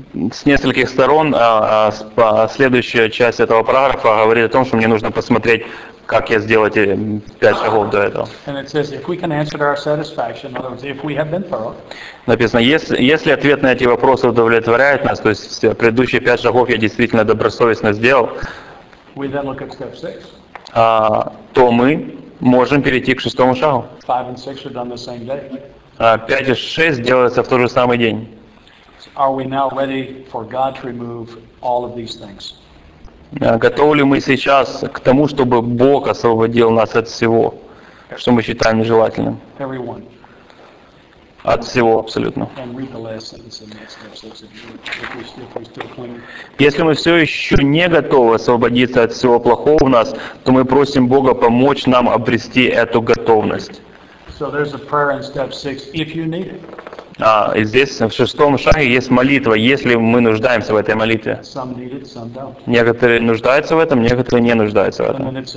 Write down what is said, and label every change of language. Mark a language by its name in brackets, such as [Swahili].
[Russian] С нескольких сторон следующая часть этого параграфа говорит о том, что мне нужно посмотреть, как я сделал эти пять шагов до этого. [English] And it says, if we can answer to our satisfaction, in other words, if we have been thorough. [Russian] Написано, если ответ на эти вопросы удовлетворяет нас, то есть предыдущие пять шагов я действительно добросовестно сделал, [English] we then look at step six. [Russian] То мы можем перейти к шестому шагу. [English] Five and six are done the same day. [Russian] 5 и 6 делаются в тот же самый день. [English] Are we now ready for God to remove all of these things? [Russian] Готовы ли мы сейчас к тому, чтобы Бог освободил нас от всего, что мы считаем нежелательным? [English] Everyone. [Russian] От всего абсолютно. [English] And read the last sentence in that step six if we still cling. [Russian] Если мы все еще не готовы освободиться от всего плохого в нас, то мы просим Бога помочь нам обрести эту готовность. [English] So there's a prayer in step six if you need it. [Russian] И здесь в шестом шаге есть молитва, если мы нуждаемся в этой молитве. Некоторые нуждаются в этом, некоторые не нуждаются в этом.